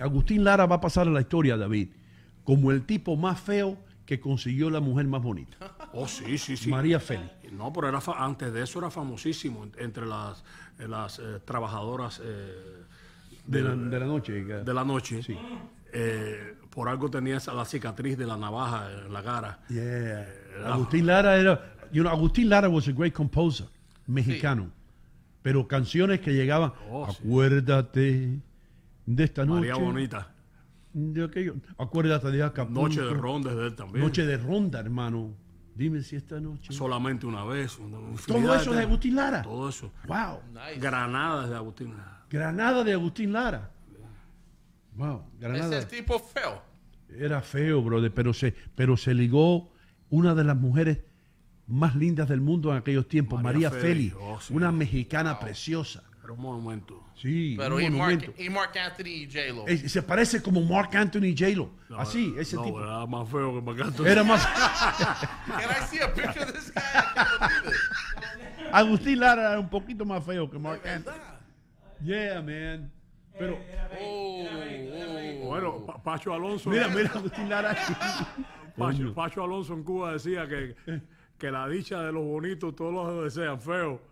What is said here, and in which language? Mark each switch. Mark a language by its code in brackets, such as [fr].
[es] Agustín Lara va a pasar a la historia, David, como el tipo más feo que consiguió la mujer más bonita. Oh, sí. María Félix. No, pero antes de eso era famosísimo entre las trabajadoras... De la noche. Sí. Por algo tenía la cicatriz de la navaja en la cara. [en] Yeah. Agustín Lara era, you know, Agustín Lara was a great composer mexicano. [es] Sí. Pero canciones que llegaban, acuérdate de esta noche. María Bonita. de aquello. Acuérdate de Acapulco. Noche de ronda es de él también. Noche de ronda, hermano. Dime si esta noche. Solamente una vez. Una todo eso de Agustín Lara. Todo eso. [en] Wow. Nice. [es] Granadas de Agustín Lara. Granada de Agustín Lara. Wow. Granada. Ese tipo feo. Era feo, brother, pero se ligó una de las mujeres más lindas del mundo en aquellos tiempos, María Félix, oh, sí, una mexicana, wow, preciosa. Pero un momento. Sí, pero un momento. Y Mark Anthony y J-Lo. Se parece como Mark Anthony y J-Lo. No, así, ese no, tipo. Era más feo que Mark Anthony. Era más. [en] Can I see a picture of this guy? [es] Agustín Lara era un poquito más feo que Mark Anthony. [en] Yeah, man. Pero [es] bueno, Pacho Alonso. Mira Agustín Lara. Pacho Alonso en Cuba decía que la dicha de los bonitos todos los desean feo.